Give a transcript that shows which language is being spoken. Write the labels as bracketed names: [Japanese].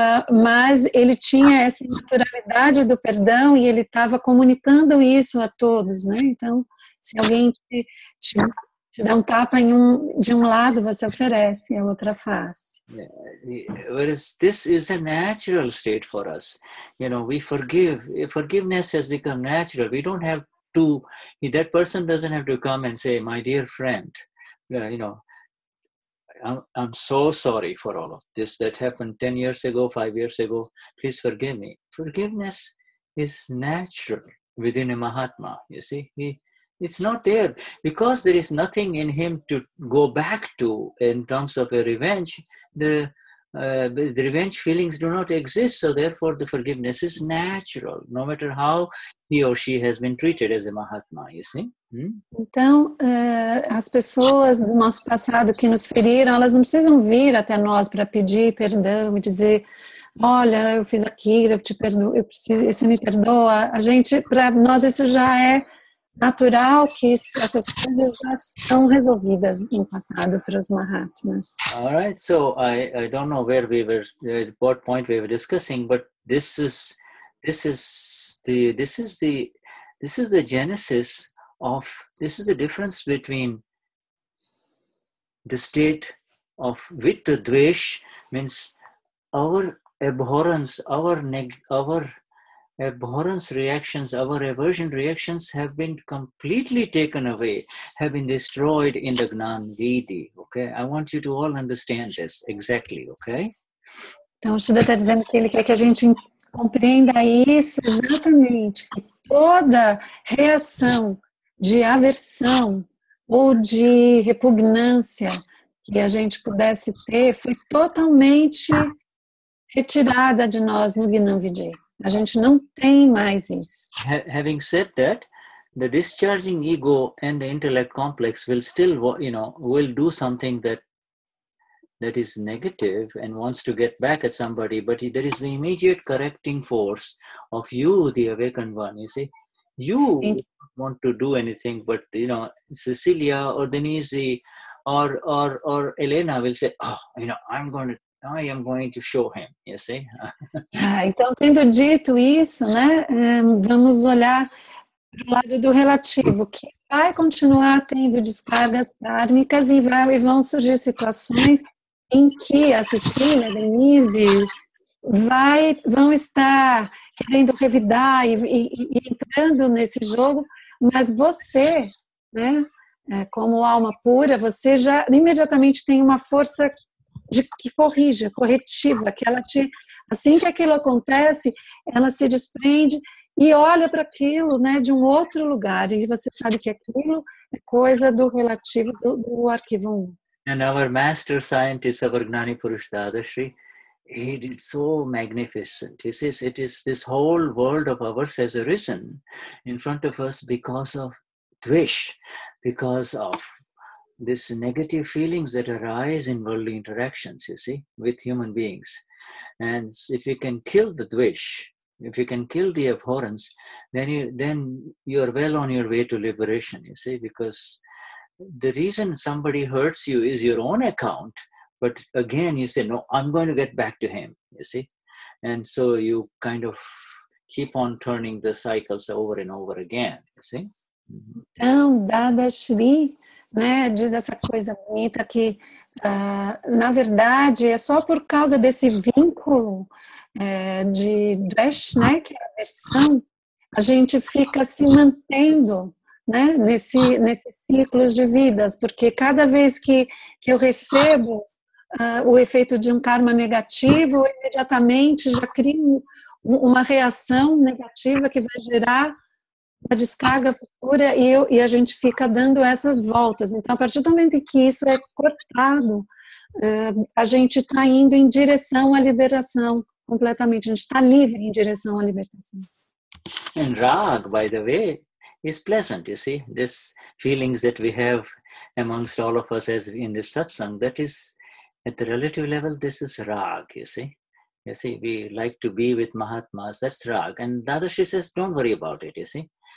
[Portuguese] Mas ele tinha essa naturalidade do perdão e ele estava comunicando isso a todos, né? Então, se alguém te dá um tapa em de um lado, você oferece a outra face. [English] Yeah, whereas this is a natural state for us. You know, we forgive. Forgiveness has become natural. We don't have to, that person doesn't have to come and say, my dear friend, you know, I'm so sorry for all of this that happened 10 years ago, 5 years ago. Please forgive me. Forgiveness is natural within a Mahatma, you see. It's not there. Because there is nothing in him to go back to in terms of a revenge, the revenge feelings do not exist, so therefore the forgiveness is natural, no matter how he or she has been treated as a Mahatma, you see? [Portuguese] Então, as pessoas do nosso passado que nos feriram, elas não precisam vir até nós para pedir perdão e dizer, olha, eu fiz aquilo, eu te perdoo, eu preciso, você me perdoa. A gente, para nós isso já é natural que essas coisas já estão resolvidas no passado para os Mahatmas. [English] All right, so I don't know where we were, what point we were discussing, but this is the genesis of, this is the difference between the state of with the dvesh, means our abhorrence, abhorrence reactions, our aversion reactions have been completely taken away, have been destroyed in the Gnan Vidhi. Okay, I want you to all understand this exactly. Okay. [Portuguese] Então, o Shuda está dizendo que ele quer que a gente compreenda isso exatamente. Que toda reação de aversão ou de repugnância que a gente pudesse ter foi totalmente retirada de nós no Gnan Vidhi. A gente não tem mais isso. [English] Having said that, the discharging ego and the intellect complex will still, you know, will do something that is negative and wants to get back at somebody, but there is the immediate correcting force of you, the awakened one, you see. You don't want to do anything, but, you know, Cecilia or Denise or Elena will say, oh, you know, I am going to show him, you see? [Portuguese] Então, tendo dito isso, né, vamos olhar para o lado do relativo, que vai continuar tendo descargas kármicas e vão surgir situações em que a Cecília, a Denise, vão estar querendo revidar e entrando nesse jogo, mas você, né, como alma pura, você já imediatamente tem uma força de que corrija, corretiva, que ela te, assim que aquilo acontece, ela se desprende e olha para aquilo, né, de um outro lugar, e você sabe que aquilo é coisa do relativo do arquivo 1. [English] And our master scientist, our Gnani Purush Dadashri, he did so magnificent. He says it is this whole world of ours has arisen in front of us because of dvesh, because of this negative feelings that arise in worldly interactions, you see, with human beings. And if you can kill the dvish, if you can kill the abhorrence, then you are well on your way to liberation, you see, because the reason somebody hurts you is your own account, But again, you say, no, I'm going to get back to him, you see. And so you kind of keep on turning the cycles over and over again, you see. [Portuguese] Então, Dada Shri, né, diz essa coisa bonita que, na verdade, é só por causa desse vínculo de Dresh, né, que é a versão, a gente fica se mantendo, né, nesse ciclo de vidas, porque cada vez que eu recebo o efeito de um karma negativo, eu imediatamente já crio uma reação negativa que vai gerar a descarga futura e a gente fica dando essas voltas. Então, a partir do momento em que isso é cortado, a gente está indo em direção à liberação completamente. A gente está livre em direção à libertação. [English] And rag, by the way, is pleasant, you see. This feelings that we have amongst all of us as in this satsang, that is, at the relative level, this is rag, you see. You see, we like to be with Mahatmas, that's rag. And Dadashri says, don't worry about it, you see.